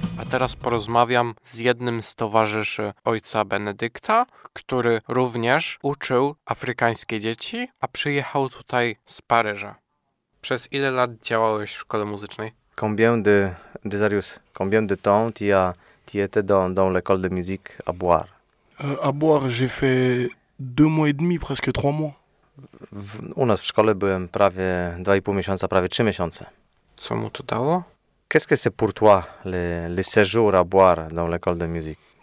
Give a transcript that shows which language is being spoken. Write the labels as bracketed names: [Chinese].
[Polish] Teraz porozmawiam z jednym z towarzyszy ojca Benedykta, który również uczył afrykańskie dzieci, a przyjechał tutaj z Paryża. Przez ile lat działałeś w szkole muzycznej? [French] Combien de temps tu as été dans l'école de musique à Boire? À Boire, j'ai fait 2 mois et demi, presque 3 mois. [Polish] U nas w szkole byłem prawie 2,5 miesiąca, prawie 3 miesiące. Co mu to dało? [French] Qu'est-ce que c'est pour toi le séjour à Boire dans l'école de musique?